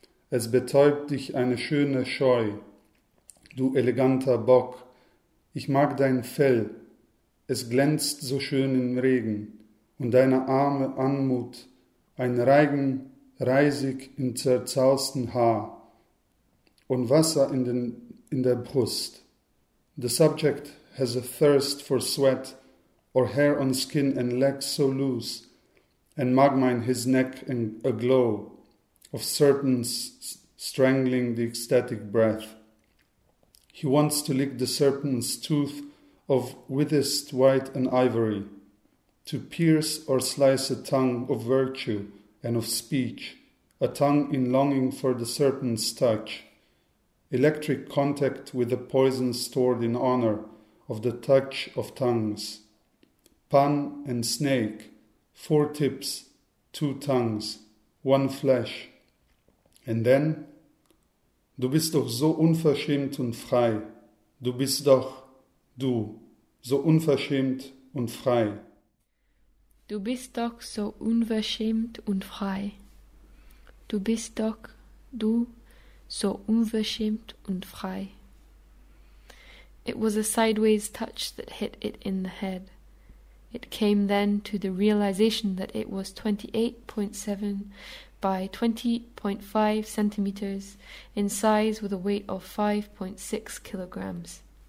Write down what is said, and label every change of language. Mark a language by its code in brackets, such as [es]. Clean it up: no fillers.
[de] Es betäubt dich eine schöne Scheu, du eleganter Bock. Ich mag dein Fell, es glänzt so schön im Regen, und deine arme Anmut, ein Reigen reisig im zerzausten Haar und Wasser in der Brust. [en] The subject has a thirst for sweat or hair on skin and legs so loose and magma in his neck and a glow of certain strangling the ecstatic breath. He wants to lick the serpent's tooth of withest white and ivory, to pierce or slice a tongue of virtue and of speech, a tongue in longing for the serpent's touch. Electric contact with the poison stored in honor of the touch of tongues. Pan and snake, four tips, two tongues, one flesh. And then? [de] Du bist doch so unverschämt und frei. Du bist doch, du, so unverschämt und frei. Du bist doch so unverschämt und frei. Du bist doch, du, so unverschämt und frei. [en] It was a sideways touch that hit it in the head. It came then to the realization that it was 28.7 by 20.5 centimeters in size with a weight of 5.6 kilograms.